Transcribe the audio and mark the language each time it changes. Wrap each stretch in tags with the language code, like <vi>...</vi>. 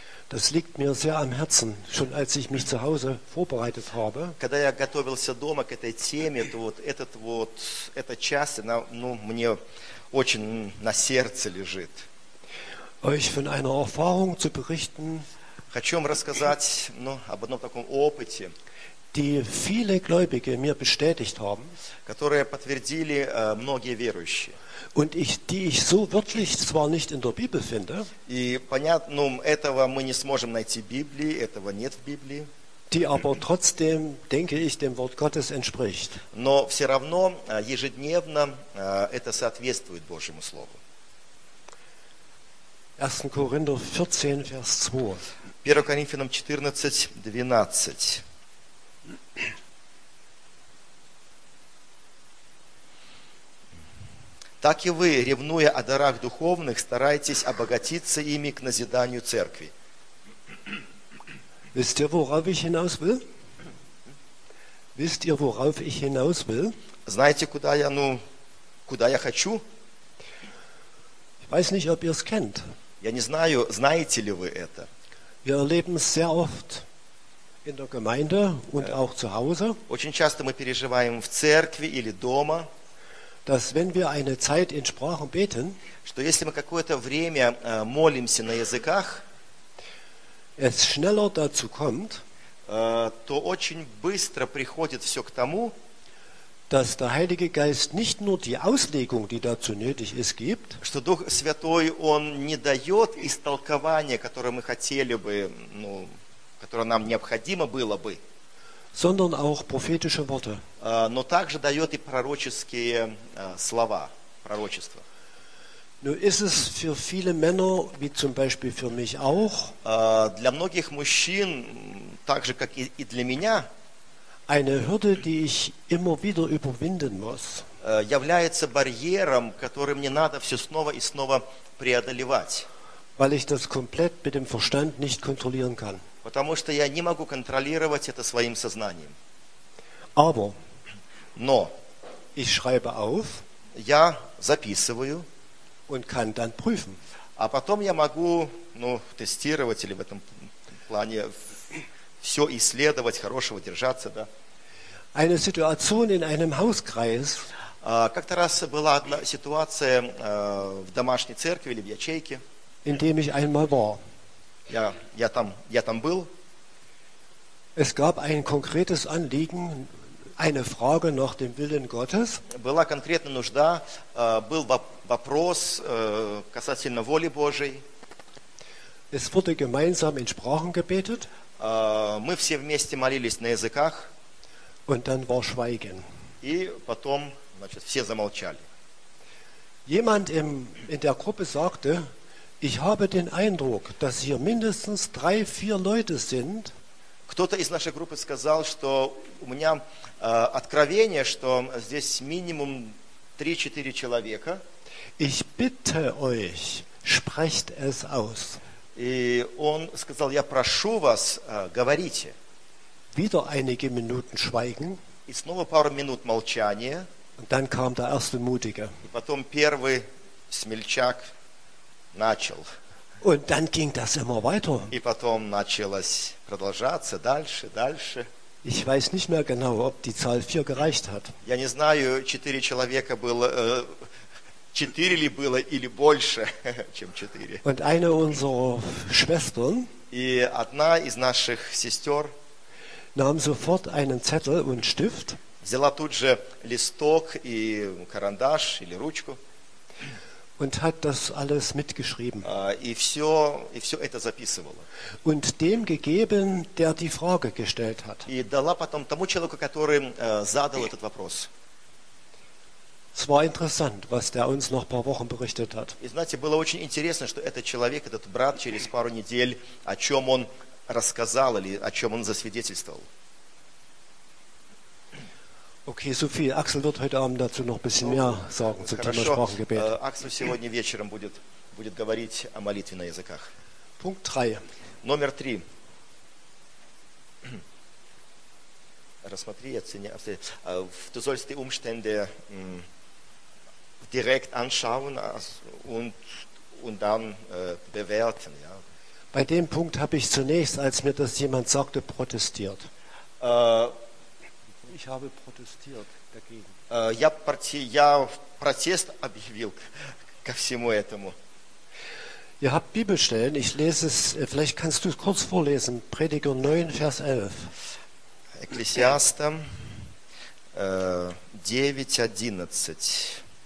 <de>Das liegt mir sehr am Herzen, schon als ich mich zu Hause vorbereitet habe.</de> <ru>Когда я готовился дома к этой теме, то вот этот вот эта часть, она, ну, мне очень на сердце лежит.</ru> <de>Euch von einer Erfahrung zu berichten.</de> <ru>Хочу вам рассказать, ну, об одном таком опыте,</ru> <de>die viele Gläubige mir bestätigt haben,</de> <ru>которые подтвердили многие верующие.</ru> <de>Und ich, die ich so wörtlich zwar nicht in der Bibel finde,</de> <ru>и понятно, этого мы не сможем найти в Библии, этого нет в Библии,</ru> <de>die aber trotzdem, denke ich, dem Wort Gottes entspricht.</de> <ru>Но все равно ежедневно это соответствует Божьему Слову. 1 Коринфянам 14, Vers 2. 1 Коринфянам 14, 12. Так и вы, ревнуя о дарах духовных, старайтесь обогатиться ими к назиданию церкви.</ru> <de>Wisst ihr, worauf ich hinaus will? Wisst ihr, worauf ich hinaus will?</de> <ru>Знаете, куда я, ну, куда я хочу?</ru> <de>Ich weiß nicht, ob ihr es kennt.</de> <ru>Я не знаю, знаете ли вы это.</ru> <de>Wir erleben es sehr oft in der Gemeinde und auch zu Hause.</de> <ru>Очень часто мы переживаем в церкви или дома.</ru> <de>Dass wenn wir eine Zeit in Sprachen beten,</de> <ru>что если мы какое-то время молимся на языках,</ru> <de>es schneller dazu kommt,</de> <ru>то очень быстро приходит все к тому,</ru> <de>dass der Heilige Geist nicht nur die Auslegung, die dazu nötig ist, gibt,</de> <ru>что Дух Святой он не дает истолкование, которое мы хотели бы, ну, которое нам необходимо было бы,</ru> <de>sondern auch prophetische Worte.</de> <ru>Но также дает и пророческие слова, пророчества.</ru> <de>Nun ist es für viele Männer, wie zum Beispiel für mich auch,</de> <ru>для многих мужчин, так же, как и для меня,</ru> <de>eine Hürde, die ich immer wieder überwinden muss,</de> <ru>является барьером, который мне надо все снова и снова преодолевать.</ru> <de>Weil ich das komplett mit dem Verstand nicht kontrollieren kann.</de> <ru>Потому что я не могу контролировать это своим сознанием.</ru> <de>Aber,</de> <ru>но</ru> <de>ich schreibe auf,</de> <ru>я записываю</ru> <de>und kann dann prüfen.</de> <ru>А потом я могу, ну, тестировать или в этом плане все исследовать, хорошего держаться. Да.</ru> <de>Eine Situation in einem Hauskreis,</de> <ru>как-то раз была одна ситуация в домашней церкви или в ячейке,</ru> <de>in dem ich einmal war.</de> <ru>Я там был.</ru> <de>Es gab ein konkretes Anliegen, eine Frage nach dem Willen Gottes.</de> <ru>Была конкретная нужда, был вопрос касательно воли Божией.</ru> <de>Es wurde gemeinsam in Sprachen gebetet.</de> <ru>Мы все вместе молились на языках.</ru> <de>Und dann war Schweigen.</de> <ru>И потом, значит, все замолчали.</ru> <de>Jemand in der Gruppe sagte, ich habe den Eindruck, dass hier mindestens 3-4 Leute sind.</de> <ru>Кто-то из нашей группы сказал, что у меня откровение, что здесь минимум 3-4 человека.</ru> <de>Ich bitte euch, sprecht es aus.</de> <ru>И он сказал, я прошу вас, говорите.</ru> <de>Wieder einige Minuten schweigen.</de> <ru>И снова пару минут молчания.</ru> <de>Und dann kam der erste Mutige.</de> <ru>И потом первый смельчак начал.</ru> <de>Und dann ging das immer weiter.</de> <ru>И потом началось продолжаться дальше.</ru> <de>Ich weiß nicht mehr genau, ob die Zahl 4 gereicht hat.</de> <ru>Я не знаю, 4 человека было, 4 ли было или больше, чем 4.</ru> <de>Und eine unserer Schwestern,</de> <ru>и одна из наших сестер,</ru> <de>nahm sofort einen Zettel und Stift,</de> <ru>взяла тут же листок и карандаш или ручку,</ru> <de>und hat das alles mitgeschrieben.</de> <ru>И все это записывала.</ru> <de>Und dem gegeben, der die Frage gestellt hat.</de> <ru>И дала потом тому человеку, который задал этот вопрос.</ru> <de>Es war interessant, was der uns noch ein paar Wochen berichtet hat.</de> <ru>И знаете, было очень интересно, что этот человек, этот брат, через пару недель, о чем он рассказал или о чем он засвидетельствовал.</ru> <de>Okay, Sophie, Axel wird heute Abend dazu noch ein bisschen mehr sagen zum Thema Sprachengebet.</de> <ru>Axel сегодня вечером будет говорить о молитве на языках.</ru> <de>Punkt 3.</de> <ru>Номер 3. Рассмотри, оцени.</ru> <de>Du sollst die Umstände direkt anschauen und dann bewerten. Ja. Bei dem Punkt habe ich zunächst, als mir das jemand sagte, protestiert. Ich habe protestiert dagegen.</de> <ru>Я протест объявил ко всему этому.</ru> <de>Ihr habt Bibelstellen, ich lese es, vielleicht kannst du es kurz vorlesen, Prediger 9, Vers 11.</de> <en>Ecclesiastes 9, 11.</en>